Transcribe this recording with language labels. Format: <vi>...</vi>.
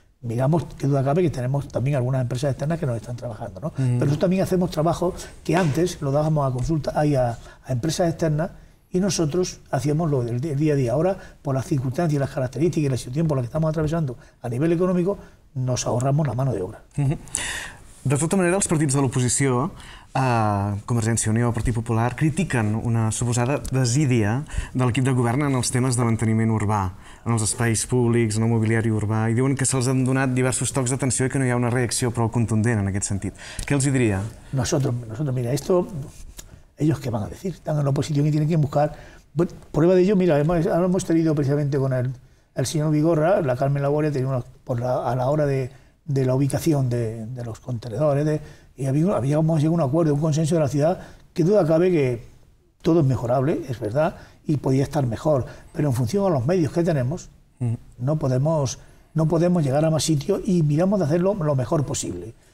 <es>digamos que duda cabe que tenemos también algunas empresas externas que nos están trabajando, ¿no? Mm. Pero nosotros también hacemos trabajo que antes lo dábamos a consulta a empresas externas y nosotros hacíamos lo del día a día. Ahora, por las circunstancias, las características y la situación por la que estamos atravesando a nivel económico, nos ahorramos la mano de obra.</es> <ca>De tota manera, els partits de l'oposició, Convergència i Unió, Partit Popular, critiquen una suposada desídia de l'equip de govern en els temes de manteniment urbà, en els espais públics, en el mobiliari urbà, i diuen que se'ls han donat diversos tocs d'atenció i que no hi ha una reacció prou contundent en aquest sentit. Què els hi diria?</ca> <es>Nosotros, mira, esto, ellos qué van a decir, están en la oposición y tienen que buscar... Prueba de ello, mira, hemos tenido precisamente con el señor Vigorra, la Carmen Laguardia, a la hora de la ubicación de los contenedores, y habíamos llegado a un acuerdo, un consenso de la ciudad, que duda cabe que todo es mejorable, es verdad, y podía estar mejor, pero en función a los medios que tenemos, no podemos llegar a más sitios y miramos de hacerlo lo mejor posible.</es>